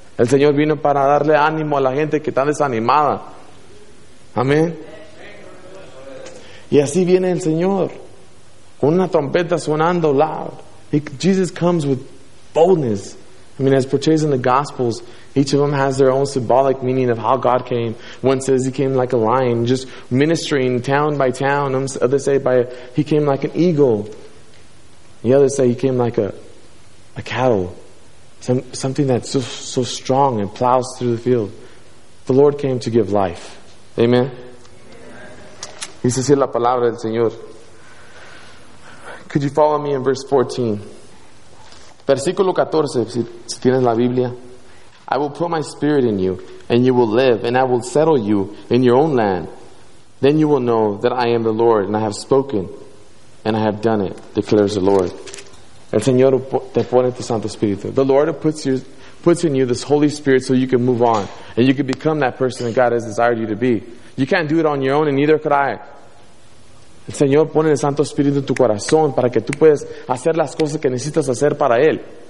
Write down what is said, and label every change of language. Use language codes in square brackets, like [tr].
[es] El Señor vino para darle ánimo a la gente que está desanimada. Amén. Y así viene el Señor, con una trompeta sonando loud. [en] Jesus comes with boldness. I mean, as portrayed in the Gospels, each of them has their own symbolic meaning of how God came. One says he came like a lion, just ministering town by town. Others say he came like an eagle. The others say he came like a cattle, something that's so strong and plows through the field. The Lord came to give life. Amen. [es] Dice así la palabra del Señor. [en] Could you follow me in verse 14? [es] Versículo 14, si tienes la Biblia. [en] I will put my spirit in you, and you will live, and I will settle you in your own land. Then you will know that I am the Lord, and I have spoken, and I have done it, declares the Lord. [es] El Señor te pone tu Santo Espíritu. [en] The Lord puts in you this Holy Spirit so you can move on. And you can become that person that God has desired you to be. You can't do it on your own and neither could I. [es] El Señor pone el Santo Espíritu en tu corazón para que tú puedas hacer las cosas que necesitas hacer para Él.